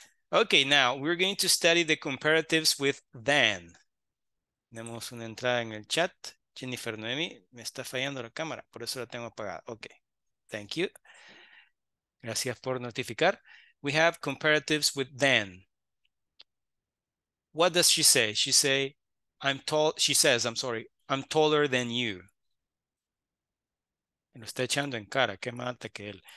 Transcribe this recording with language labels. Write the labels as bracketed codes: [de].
[en] Okay, now we're going to study the comparatives with than. [es] Tenemos una entrada en el chat. Jennifer Noemi, me está fallando la cámara, por eso la tengo apagada. [en] Okay, thank you. [es] Gracias por notificar. [en] We have comparatives with than. What does she say? She say, I'm tall. She says, I'm sorry, I'm taller than you. [es] Me lo está echando en cara, qué mata que él.